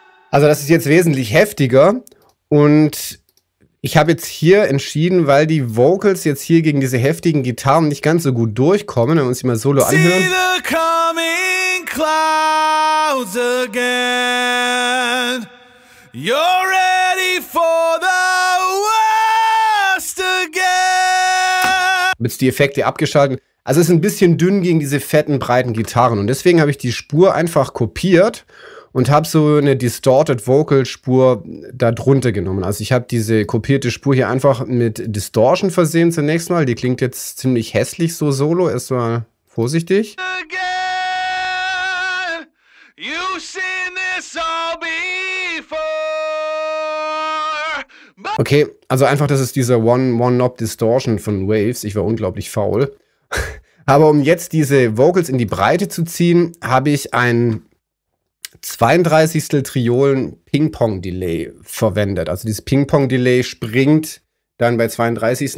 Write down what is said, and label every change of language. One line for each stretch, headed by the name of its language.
German: Also das ist jetzt wesentlich heftiger und ich habe jetzt hier entschieden, weil die Vocals jetzt hier gegen diese heftigen Gitarren nicht ganz so gut durchkommen, wenn wir uns die mal solo anhören.
English: See the coming clouds again. You're ready for the worst again.
German: Mit die Effekte abgeschalten. Also es ist ein bisschen dünn gegen diese fetten, breiten Gitarren und deswegen habe ich die Spur einfach kopiert und habe so eine Distorted Vocal Spur da drunter genommen. Also ich habe diese kopierte Spur hier einfach mit Distortion versehen zunächst mal. Die klingt jetzt ziemlich hässlich so solo. Erstmal vorsichtig.
English: Again, you've seen this all before.
German: Okay, also einfach, das ist dieser One-Knob Distortion von Waves. Ich war unglaublich faul. Aber um jetzt diese Vocals in die Breite zu ziehen, habe ich ein 32. Triolen Ping-Pong-Delay verwendet. Also dieses Ping-Pong-Delay springt dann bei 32.